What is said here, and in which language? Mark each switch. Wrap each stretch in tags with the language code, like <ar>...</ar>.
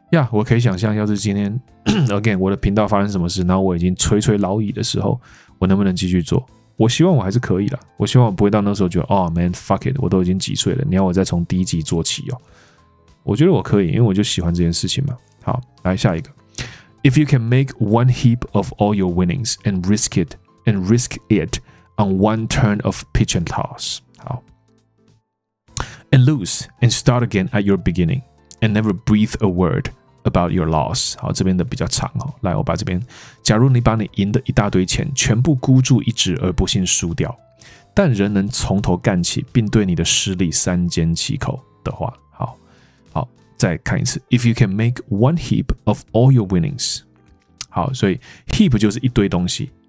<zh>我可以想象，要是今天again 我的频道发生什么事，然后我已经垂垂老矣的时候，我能不能继续做？我希望我还是可以啦，我希望我不会到那时候觉得，哦 man fuck it，我都已经几岁了，你要我再从第一集做起哦？我觉得我可以，因为我就喜欢这件事情嘛。</zh> <en>好，来下一个，If you can make one heap of all your winnings and risk it on one turn of pitch and toss。 And lose and start again at your beginning and never breathe a word about your loss.</en> <zh>好，这边的比较长哦。来，我把这边，假如你把你赢的一大堆钱全部孤注一掷而不幸输掉，但仍能从头干起，并对你的实力三缄其口的话，好，好，再看一次。</zh> <en>If you can make one heap of all your winnings，好，所以 heap 就是一堆东西。</en>